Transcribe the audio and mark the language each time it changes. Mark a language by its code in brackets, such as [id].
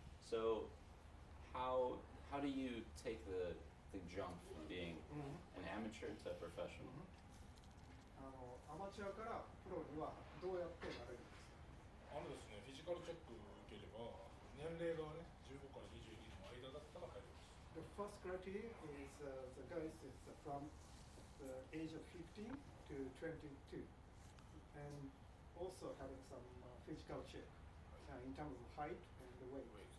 [en] So, how do you take the jump from being an amateur to a professional? [ja] Amateur から pro にはどうやってなれるんですか？あのですね、フィジカルチェックを受ければ、年齢がね、15から22の間だったら入れます。 [en] The first criteria is the guys is from the age of 15 to 22, and also having some physical check in terms of height and the weight.